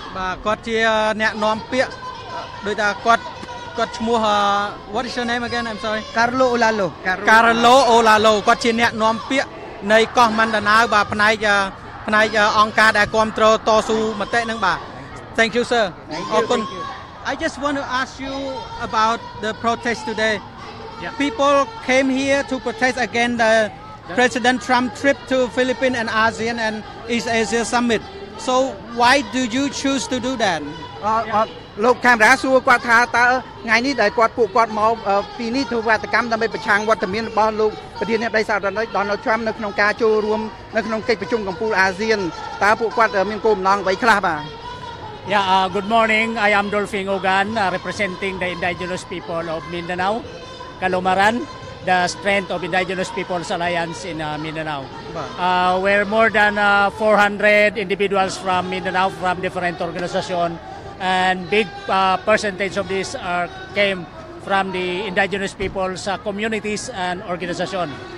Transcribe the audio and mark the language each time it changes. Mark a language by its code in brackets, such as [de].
[km] បាទគាត់ជាអ្នកណែនាំពាក្យដោយថាគាត់ឈ្មោះ [en] what is your name again I'm sorry Carlo Olalo [km] Carlo Olalo គាត់ជាអ្នកណែនាំពាក្យនៃកោះមន្តណៅបាទផ្នែកអង្គការដែលគ្រប់គ្រងតស៊ូមតិនឹងបាទ [en] Thank you sir [km] អរគុណ [en] I just want to ask you about the protest today yeah. People came here to protest against the President Trump trip to Philippines and ASEAN and East Asia summit so why do you choose to do that [km] លោកកាមេរ៉ាសួរគាត់ថាតើថ្ងៃនេះដែលគាត់ពួកគាត់មកពីនេះធ្វើវត្តកម្មដើម្បីប្រឆាំងវត្តមានរបស់លោកប្រធានអ្នកដីសាធារណៈ Donald Trump នៅក្នុងការចូលរួមនៅក្នុងកិច្ចប្រជុំកម្ពុជាអាស៊ានតើពួកគាត់មានគោលបំណងអ្វីខ្លះបា [en] ទ Yeah good morning I am Dolphin Ogan representing the indigenous people of Mindanao Kalomaran the strength of indigenous people's alliance in Mindanao where more than 400 individuals from Mindanao from different organization and big percentage of this came from the indigenous people's communities and organization.